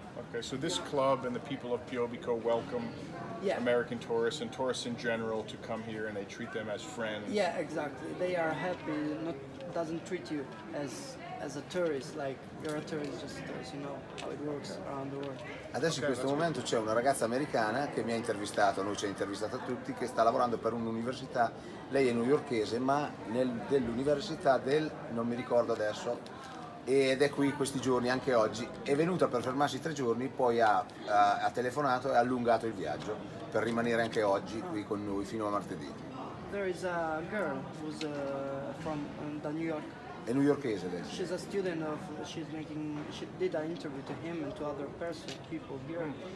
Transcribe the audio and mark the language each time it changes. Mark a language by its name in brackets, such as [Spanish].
[English] Okay, so this club and the people of Piobico welcome American tourists and tourists in general to come here, and they treat them as friends. Yeah, exactly. They are happy, not doesn't treat you as a tourist, like you're a tourist, just a tourist, you know how it works around the world. [Italian] Adesso in questo momento c'è una ragazza americana che mi ha intervistato, noi ci ha intervistato a tutti, che sta lavorando per un'università. Lei è newyorkese, ma dell'università del, non mi ricordo adesso, ed è qui questi giorni, anche oggi. È venuta per fermarsi 3 giorni, poi ha telefonato e ha allungato il viaggio per rimanere anche oggi qui con noi fino a martedì. [English] There is a girl who's from the New York. [Italian] È newyorkese lei. [English] She's a student of, she's making, she did an interview to him and to other person, people here.